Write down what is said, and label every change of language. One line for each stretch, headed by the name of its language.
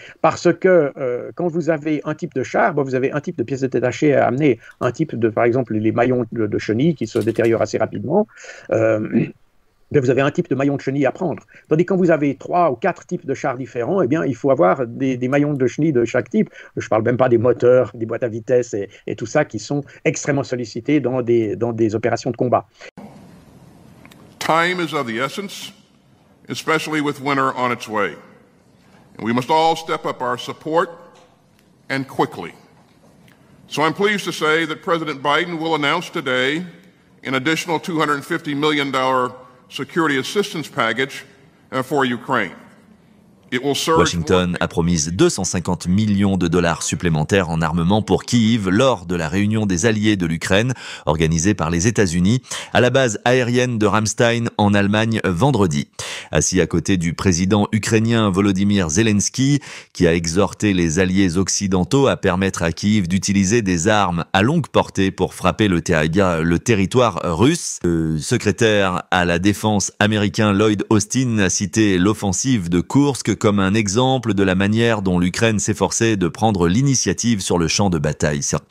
French: Parce que quand vous avez un type de char, vous avez un type de pièces détachées à amener, un type de, par exemple, les maillons de chenille qui se détériorent assez rapidement, vous avez un type de maillon de chenille à prendre. Tandis que quand vous avez 3 ou 4 types de chars différents, il faut avoir des maillons de chenille de chaque type. Je ne parle même pas des moteurs, des boîtes à vitesse et tout ça, qui sont extrêmement sollicités dans des opérations de combat.
English: Time is of the essence, especially with winter on its way. And we must all step up our support and quickly. So I'm pleased to say that President Biden will announce today an additional $250 million security assistance package for Ukraine.
French: Washington a promis 250 millions de dollars supplémentaires en armement pour Kiev lors de la réunion des alliés de l'Ukraine organisée par les États-Unis à la base aérienne de Ramstein en Allemagne vendredi. Assis à côté du président ukrainien Volodymyr Zelensky, qui a exhorté les alliés occidentaux à permettre à Kiev d'utiliser des armes à longue portée pour frapper le territoire russe, le secrétaire à la défense américain Lloyd Austin a cité l'offensive de Kursk comme un exemple de la manière dont l'Ukraine s'efforçait de prendre l'initiative sur le champ de bataille.